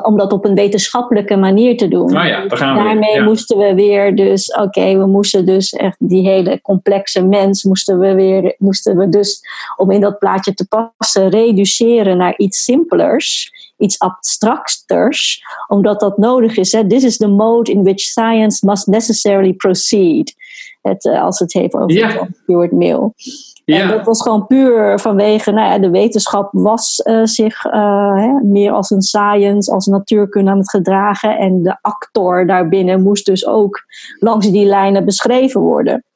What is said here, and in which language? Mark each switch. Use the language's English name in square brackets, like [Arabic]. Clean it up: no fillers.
[Dutch] Om dat op een wetenschappelijke manier te doen. Nou ja, daar gaan we. Daarmee moesten we weer dus, we moesten dus echt die hele complexe mens, moesten we dus om in dat plaatje te passen, reduceren naar iets simplers. Iets abstracters, omdat dat nodig is. Hè? [English] This is the mode in which science must necessarily proceed. [Dutch] Als het heeft over Stuart Mill. Ja. En dat was gewoon puur vanwege, de wetenschap was meer als een science, als natuurkunde aan het gedragen. En de actor daarbinnen moest dus ook langs die lijnen beschreven worden.